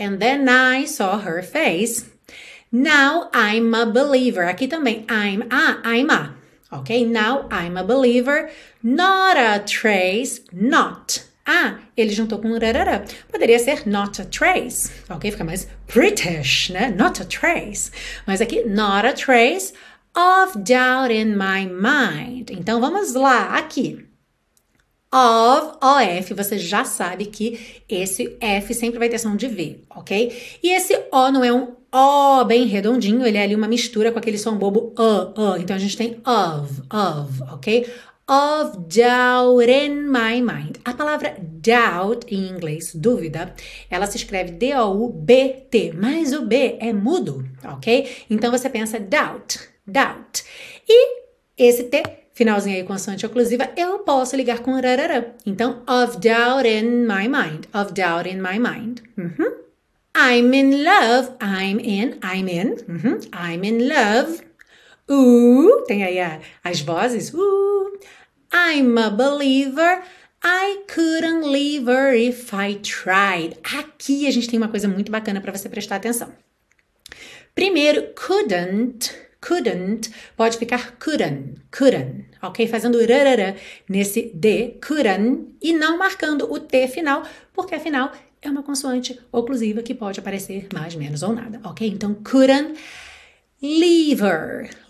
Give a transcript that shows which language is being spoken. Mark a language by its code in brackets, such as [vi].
[en] And then I saw her face. Now I'm a believer. [pt] Aqui também, [en] I'm a. Ok? Now I'm a believer. Not a trace, not. [pt] Ah, ele juntou com rarara. Poderia ser [en] not a trace. Ok? [pt] Fica mais British, né? [en] Not a trace. [pt] Mas aqui, [en] not a trace of doubt in my mind. [pt] Então, vamos lá. Aqui. Of, O-F. Você já sabe que esse F sempre vai ter som de V, ok? E esse O não é um O bem redondinho. Ele é ali uma mistura com aquele som bobo Então, a gente tem of, ok? [en] Of doubt in my mind. [pt] A palavra doubt em inglês, dúvida, ela se escreve D-O-U-B-T, mas o B é mudo, ok? Então você pensa doubt. E esse T, finalzinho aí com a consoante oclusiva, eu posso ligar com rarara. [en] Então, of doubt in my mind. Of doubt in my mind. I'm in love. I'm in. I'm in love. [pt] Tem aí as vozes. [en] I'm a believer, I couldn't leave her if I tried. [pt] Aqui a gente tem uma coisa muito bacana para você prestar atenção. Primeiro, couldn't, pode ficar couldn't, ok? Fazendo rarara nesse D, couldn't, e não marcando o T final, porque afinal é uma consoante oclusiva que pode aparecer mais, menos ou nada, ok? [en] Então, couldn't leave her.